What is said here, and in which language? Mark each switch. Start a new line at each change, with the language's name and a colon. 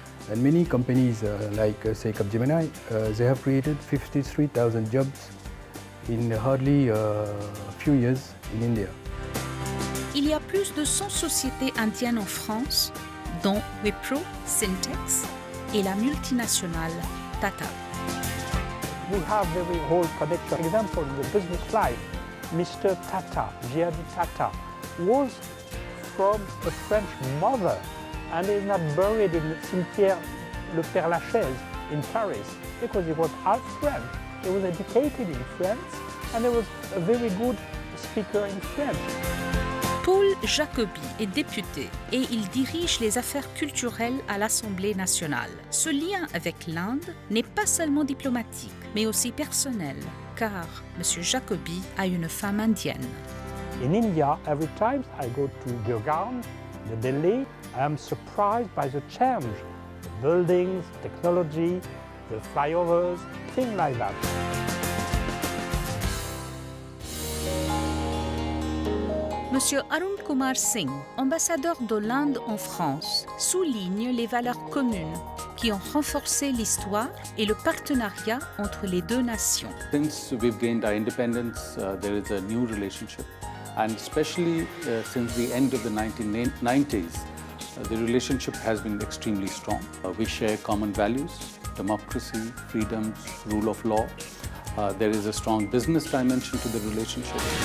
English: And many companies like, say, Capgemini, they have created 53,000 jobs in hardly a few years in India.
French: Il y a plus de 100 sociétés indiennes en France, dont Wipro, Syntex et la multinationale Tata.
English: We have the whole connection. For example, in the business life, Mr. Tata, Jiyadi Tata, was from a French mother and is not buried in Saint-Pierre Le Père Lachaise in Paris because he was half French. He was educated in France and he was a very good speaker in French.
French: Paul Jacobi est député et il dirige les affaires culturelles à l'Assemblée nationale. Ce lien avec l'Inde n'est pas seulement diplomatique mais aussi personnel car M. Jacobi a une femme indienne.
English: In India, every time I go to Gurgaon, the Delhi, I am surprised by the change. The buildings, technology, the flyovers, things like that.
French: Monsieur Arun Kumar Singh, ambassadeur de l'Inde en France, souligne les valeurs communes qui ont renforcé l'histoire et le partenariat entre les deux nations.
English: Since we've gained our independence, there is a new relationship, and especially since the end of the 1990s, the relationship has been extremely strong. We share common values: democracy, freedoms, rule of law. There is a strong business dimension to the relationship.